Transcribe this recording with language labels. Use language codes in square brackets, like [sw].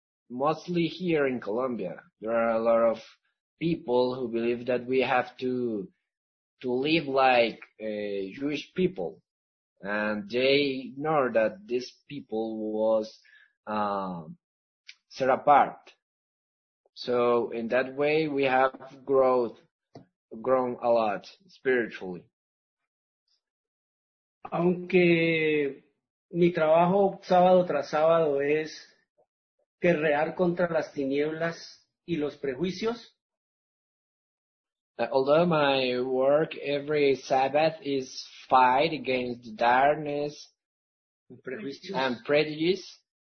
[en] Mostly here in Colombia, there are a lot of people who believe that we have to live like Jewish people. And they ignore that this people was set apart. So in that way, we have grown a lot spiritually. [es] Aunque mi trabajo sábado tras sábado es guerrear contra las tinieblas y los prejuicios. [en] Although my work every Sabbath is fight against the darkness and prejudice,